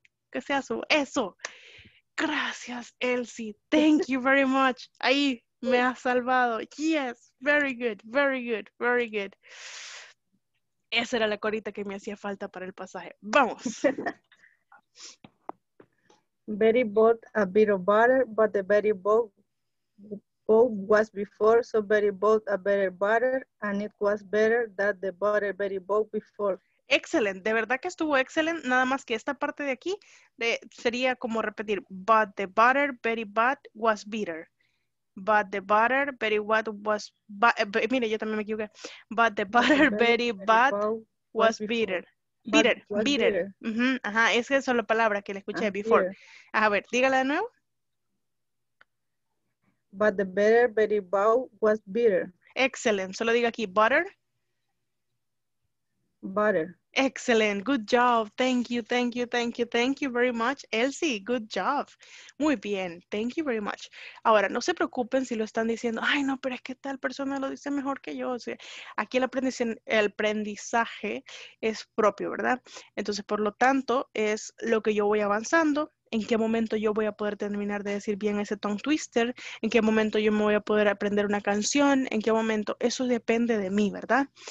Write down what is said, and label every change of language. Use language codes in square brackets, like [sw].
[es] Que sea su... ¡Eso! Gracias, Elsie. [en] Thank you very much. [es] Ahí, me has salvado. [en] Yes, very good, very good, very good. [es] Esa era la corita que me hacía falta para el pasaje. ¡Vamos! [en] Betty bought a bit of butter, but the Betty bowl was before, so Betty bought a better butter, and it was better than the butter Betty bought before. [es] ¡Excelente! De verdad que estuvo excelente. Nada más que esta parte de aquí sería como repetir, [en] but the butter Betty bought was bitter. But the butter, Betty what was, but, [es] mire, yo también me equivoqué. [en] But the butter, Betty bad was bitter. Bitter, was bitter. Uh-huh. [es] Ajá, es que esa es la palabra que le escuché [en] before. Bitter. [es] A ver, dígala de nuevo. [en] But the butter, Betty bow was bitter. Excellent, [es] solo diga aquí, butter. [en] Butter. Excellent, good job. Thank you, thank you, thank you, thank you very much. Elsie, good job. [es] Muy bien, [en] thank you very much. [es] Ahora, no se preocupen si lo están diciendo, ay, no, pero es que tal persona lo dice mejor que yo. O sea, aquí el aprendizaje es propio, ¿verdad? Entonces, por lo tanto, es lo que yo voy avanzando, en qué momento yo voy a poder terminar de decir bien ese tongue twister, en qué momento yo me voy a poder aprender una canción, en qué momento, eso depende de mí, ¿verdad?